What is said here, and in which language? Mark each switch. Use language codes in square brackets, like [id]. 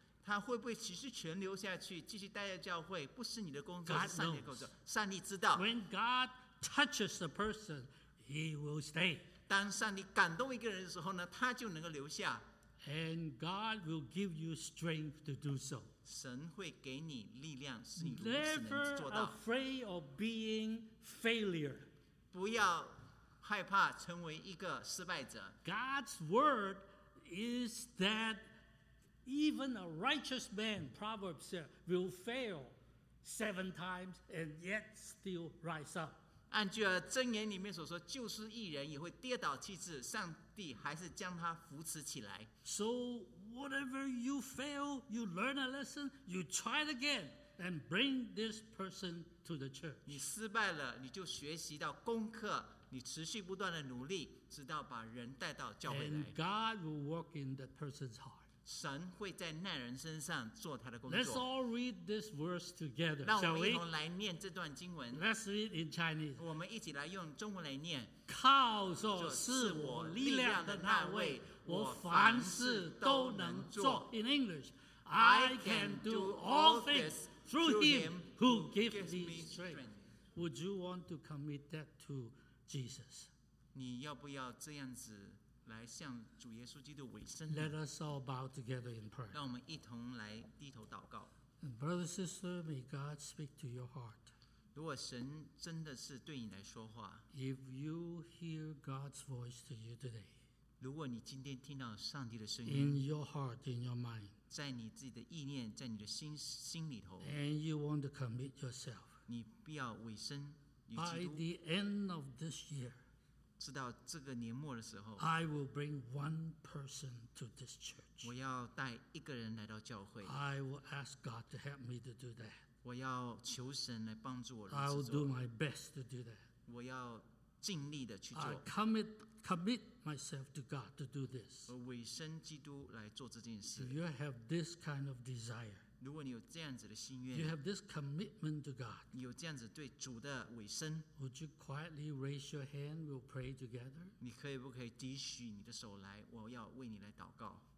[zh] 他会不会继续存留下去，继续待在教会，不是你的工作，是上帝的工作。上帝知道。 [en] When God touches a person, he will stay. [zh] 当上帝感动一个人的时候呢，他就能够留下。 [en] And God will give you strength to do so. [zh] 神会给你力量，使你如此能做到。 [en] Never afraid of being failure. [zh] 不要害怕成为一个失败者。 [en] God's word is that even a righteous man, Proverbs said, will fail seven times and yet still rise up. [zh] 按据箴言里面所说，就是义人也会跌倒七次，上帝还是将他扶持起来。 [en] So whatever you fail, you learn a lesson, you try it again, and bring this person to the church. [zh] 你失败了，你就学习到功课，你持续不断的努力，直到把人带到教会来。 [en] And God will work in that person's heart. [zh] 神会在那人身上做他的工作。 [en] Let's all read this verse together. [zh] 让我们一同来念这段经文。 [en] Let's read in Chinese. [zh] 我们一起来用中文来念。靠着是我力量的那位，我凡事都能做。 [en] In English, I can do all things through Him who gives me strength. Would you want to commit that to Jesus? [zh] 你要不要这样子？来向主耶稣基督委身。 [en] Let us all bow together in prayer. [zh] 让我们一同来低头祷告。 [en] Brother, sister, may God speak to your heart. [zh] 如果神真的是对你来说话。 [en] If you hear God's voice to you today. [zh] 如果你今天听到上帝的声音。 [en] In your heart, in your mind. [zh] 在你自己的意念，在你的心里头。 [en] And you want to commit yourself. [zh] 你必要委身与基督。 [en] By the end of this year. [zh] 直到这个年末的时候 [en] I will bring one person to this church. [zh] 我要带一个人来到教会。 [en] I will ask God to help me to do that. [zh] 我要求神来帮助我。 [en] I will do my best to do that. [zh] 我要尽力的去做。 [en] I commit myself to God to do this. [zh] 我委身基督来做这件事。 [en] If you have this kind of desire, [zh] 如果你有这样子的心愿 [en] you have this commitment to God, [zh] 你有这样子对主的委身 [en] would you quietly raise your hand, we'll pray together? [zh] 你可以不可以举起你的手来我要为你来祷告